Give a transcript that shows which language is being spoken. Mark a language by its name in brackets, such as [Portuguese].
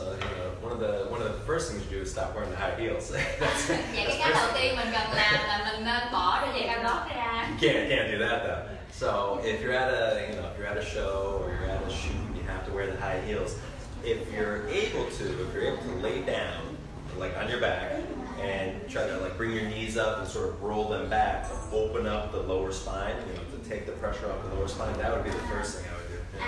[English] One of the first things you do is stop wearing the high heels. [Vietnamese] cái đầu tiên mình cần làm là mình bỏ cái giày cao gót ra. [English] Can't do that though. So if you're at a, you know, if you're at a show or you're at a shoot, you have to wear the high heels. If you're able to lay down, like on your back, and try to like bring your knees up and sort of roll them back, to open up the lower spine, you know, to take the pressure off the lower spine, that would be the first thing I would do.